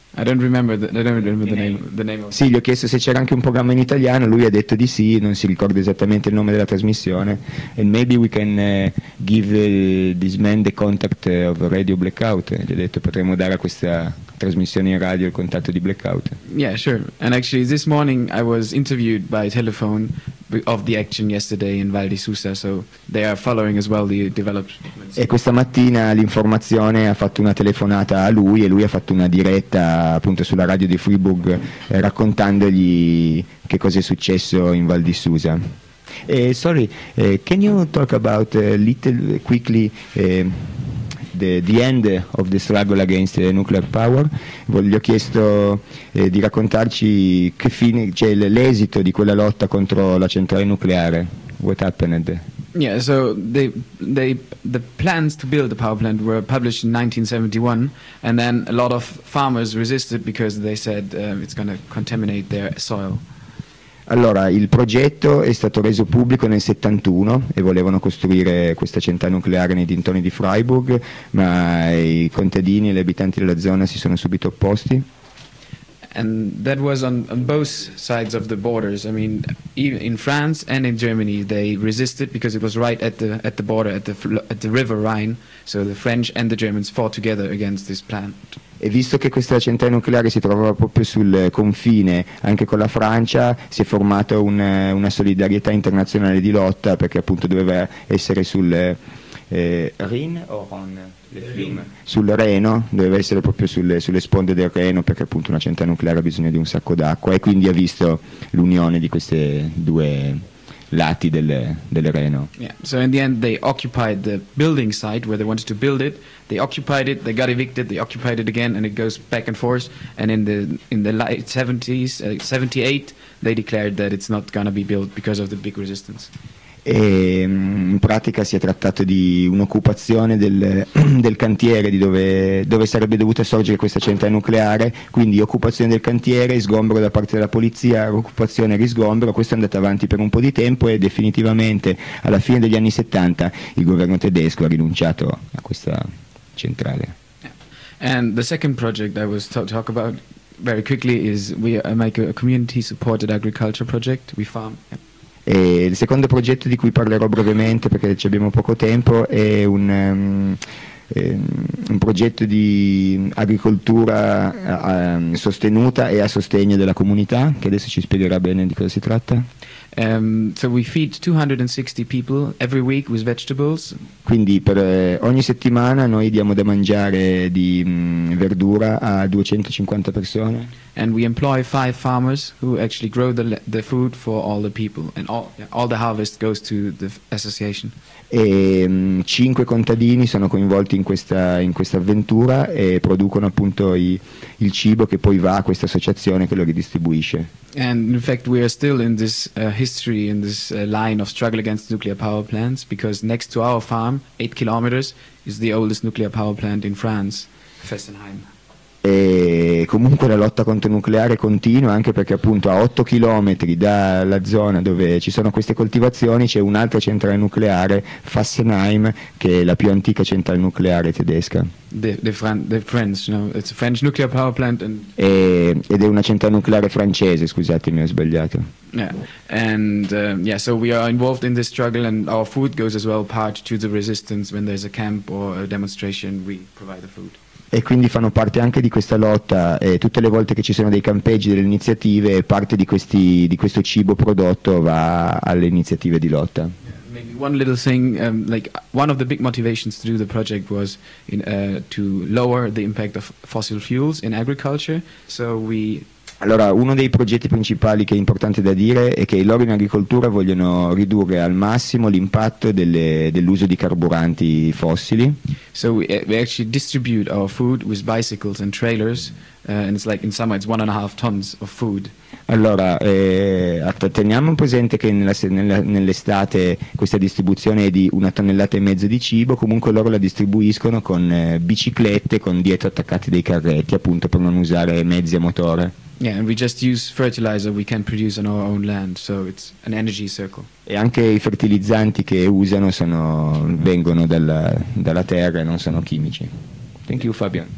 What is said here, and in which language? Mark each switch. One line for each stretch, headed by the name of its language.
English: I don't remember the name.
Italian: Sì, gli ho chiesto se c'era anche un programma in italiano. Lui ha detto di sì, non si ricorda esattamente il nome della trasmissione.
English: And maybe we can give this man the contact of Radio Blackout.
Italian: Gli ho detto potremmo dare a questa trasmissione in radio il contatto di Blackout.
English: Yeah, sure. And actually, this morning I was interviewed by telephone of the action yesterday in Val di Susa, so they are following as well the developments.
Italian: E questa mattina l'informazione ha fatto una telefonata a lui e lui ha fatto una diretta appunto sulla radio di Freiburg raccontandogli che cosa è successo in Val di Susa.
English: Sorry, can you talk about quickly the end of the struggle against the nuclear power?
Italian: Gli ho chiesto di raccontarci che fine, cioè l'esito di quella lotta contro la centrale nucleare.
English: What happened? Yeah, so the plans to build the power plant were published in 1971, and then a lot of farmers resisted because they said it's going to contaminate their soil.
Italian: Allora, il progetto è stato reso pubblico nel 71 e volevano costruire questa centrale nucleare nei dintorni di Freiburg, ma i contadini e gli abitanti della zona si sono subito opposti.
English: And that was on both sides of the borders. I mean, even in France and in Germany they resisted because it was right at the border, at the River Rhine, so the French and the Germans fought together against this plant.
Italian: E visto che questa centrale nucleare si trovava proprio sul confine anche con la Francia, si è formata una solidarietà internazionale di lotta, perché appunto doveva essere sul Rhin o Rhon? Rhin. Sul Reno, doveva essere proprio sulle sponde del Reno, perché appunto una centrale nucleare ha bisogno di un sacco d'acqua, e quindi ha visto l'unione di queste due lati del Reno.
English: Yeah. So in the end they occupied the building site where they wanted to build it. They occupied it, they got evicted, they occupied it again, and it goes back and forth. And in the late 70s, 78, they declared that it's not gonna be built because of the big resistance.
Italian: E in pratica si è trattato di un'occupazione del cantiere di dove sarebbe dovuta sorgere questa centrale nucleare, quindi occupazione del cantiere, sgombro da parte della polizia, occupazione e risgombro. Questo è andato avanti per un po' di tempo e definitivamente alla fine degli anni 70 il governo tedesco ha rinunciato a questa centrale.
English: And the second project I was talk about very quickly is we make a community supported agriculture project, we farm.
Italian: E il secondo progetto di cui parlerò brevemente perché ci abbiamo poco tempo è un progetto di agricoltura sostenuta e a sostegno della comunità, che adesso ci spiegherà bene di cosa si tratta.
English: So we feed 260 people every week with vegetables.
Italian: Quindi per ogni settimana noi diamo da mangiare di verdura a 250 persone.
English: And we employ 5 farmers who actually grow the food for all the people, and all the harvest goes to the association.
Italian: E 5 contadini sono coinvolti in questa avventura e producono appunto il cibo che poi va a questa associazione che lo ridistribuisce.
English: And in fact we are still in this history, in this line of struggle against nuclear power plants, because next to our farm, 8 kilometers, is the oldest nuclear power plant in France, Fessenheim.
Italian: E comunque la lotta contro il nucleare continua, anche perché appunto a 8 chilometri dalla zona dove ci sono queste coltivazioni c'è un'altra centrale nucleare, Fessenheim, che è la più antica centrale nucleare tedesca.
English: It's a French nuclear power plant and...
Italian: ed è una centrale nucleare francese, scusatemi, ho sbagliato.
English: Yeah. And so we are involved in this struggle and our food goes as well part to the resistance when there's a camp or a demonstration, we provide the food.
Italian: E quindi fanno parte anche di questa lotta, e tutte le volte che ci sono dei campeggi, delle iniziative, parte di questo cibo prodotto va alle iniziative di lotta.
English: Maybe one little thing, like one of the big motivations to do the project was to lower the impact of fossil fuels in agriculture, so we...
Italian: Allora, uno dei progetti principali che è importante da dire è che loro in agricoltura vogliono ridurre al massimo l'impatto dell'uso di carburanti fossili.
English: So we actually distribute our food with bicycles and trailers, and it's like in summer it's 1.5 tons of food.
Italian: Allora, teniamo presente che nell'estate questa distribuzione è di 1,5 tonnellate di cibo, comunque loro la distribuiscono con biciclette, con dietro attaccati dei carretti, appunto per non usare mezzi a motore.
English: Yeah, and we just use fertilizer we can produce on our own land, so it's an energy circle.
Italian: E anche i fertilizzanti che usano vengono dalla terra e non sono chimici.
English: Thank you, Fabian.